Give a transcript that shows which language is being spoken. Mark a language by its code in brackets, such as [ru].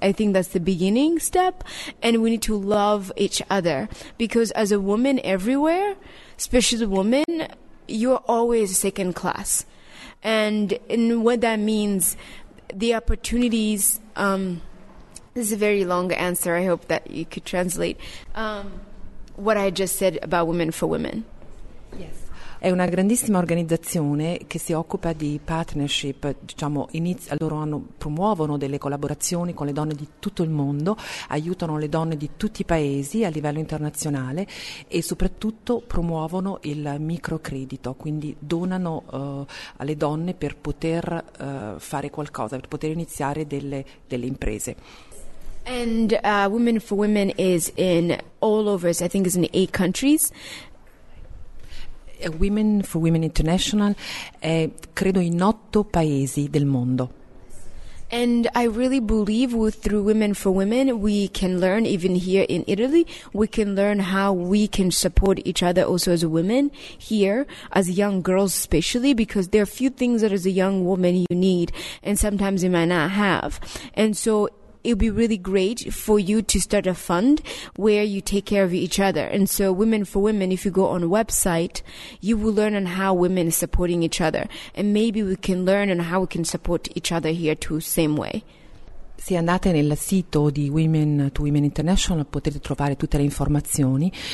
[en] I think that's the beginning step, and we need to love each other, because as a woman everywhere, especially the woman, you're always second class. And what that means, the opportunities, this is a very long answer. I hope that you could translate what I just said about Women for Women. Yes. [it] È una grandissima organizzazione che si occupa di partnership, diciamo, loro promuovono delle collaborazioni con le donne di tutto il mondo, aiutano le donne di tutti i paesi a livello internazionale e soprattutto promuovono il microcredito, quindi donano alle donne per poter fare qualcosa, per poter iniziare delle imprese. [en] And Women for Women is in all over, I think it's in 8 countries. [it] Women for Women International è credo in 8 paesi del mondo. [en] And I really believe through Women for Women we can learn, even here in Italy, we can learn how we can support each other also as women here, as young girls especially, because there are few things that as a young woman you need and sometimes you might not have. And so it would be really great for you to start a fund where you take care of each other. And so Women for Women, if you go on a website, you will learn on how women are supporting each other. And maybe we can learn on how we can support each other here too, same way. [it] Se andate nel sito di Women to Women International potete trovare tutte le informazioni.